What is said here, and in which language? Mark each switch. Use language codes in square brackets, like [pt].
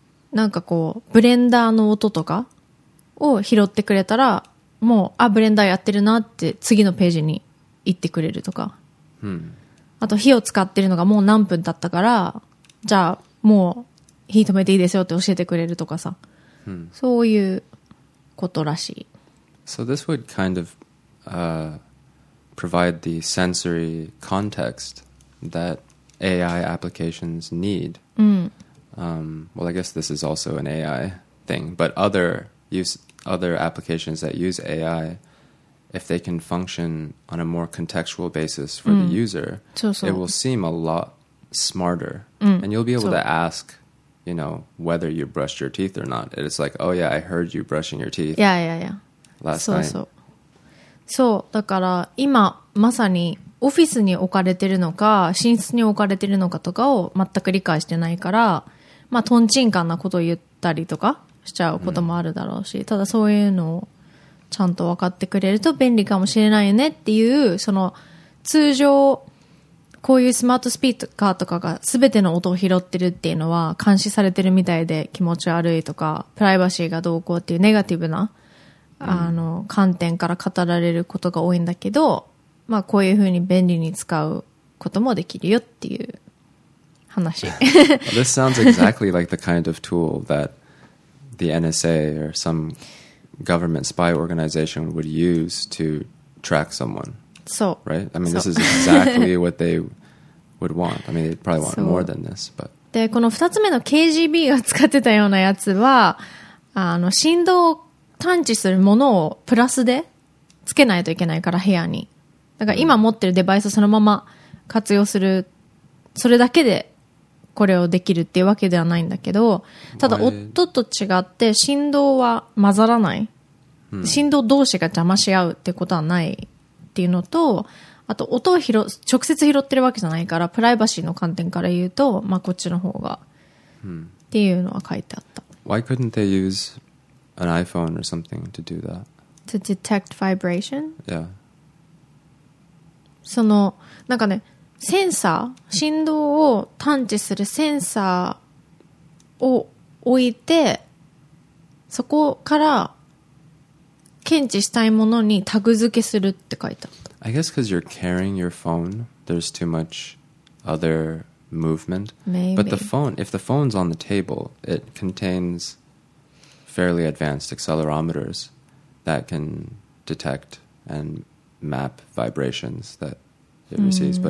[ja] なんかこうブレンダーの音とかを拾ってくれたら、もうあブレンダーやってるなって次のページに行ってくれるとか、あと火を使ってるのがもう何分経ったから、じゃあもう火止めていいですよって教えてくれるとかさ、そういうことらしい。 [en] So this would kind of provide the sensory context that AI applications need. Well, I guess this is also an AI thing, but other applications that use AI, if they can function on a more contextual basis for the user, it will seem a lot smarter. And you'll be able to ask, you know, whether you brushed your teeth or not. It's like, oh yeah, I heard you brushing your teeth. Last night. [ja] そう、だから今まさにオフィスに置かれてるのか寝室に置かれてるのかとかを全く理解してないから、まあ、トンチンカンなことを言ったりとかしちゃうこともあるだろうし、ただそういうのをちゃんと分かってくれると便利かもしれないねっていう、その通常こういうスマートスピーカーとかが全ての音を拾ってるっていうのは監視されてるみたいで気持ち悪いとか、プライバシーがどうこうっていうネガティブな観点から語られることが多いんだけど、まあこういうふうに便利に使うこともできるよっていう話。 [en] Well, this sounds exactly like the kind of tool that the NSA or some government spy organization would use to track someone. So, right? I mean, this is exactly what they would want. I mean, they'd probably want more than this, but. [ja] で、この二つ目の KGB が使ってたようなやつは、振動を探知するものをプラスでつけないといけないから部屋に。だから今持ってるデバイスそのまま活用する、それだけでこれをできるっていうわけではないんだけど、ただ夫と違って振動は混ざらない。振動同士が邪魔し合うってことはないっていうのと、あと音を直接拾ってるわけじゃないから、プライバシーの観点から言うと、まあこっちの方が、っていうのは書いてあった。 [en] Why couldn't they use an iPhone or something to do that? To detect vibration? Yeah. [ja] その、なんかね、センサー、振動を探知するセンサーを置いて、そこから検知したいものにタグ付けするって書いてあった。 [en] I guess because you're carrying your phone, there's too much other movement. Maybe. But the phone, if the phone's on the table, it contains fairly advanced accelerometers that can detect and map vibrations that it receives.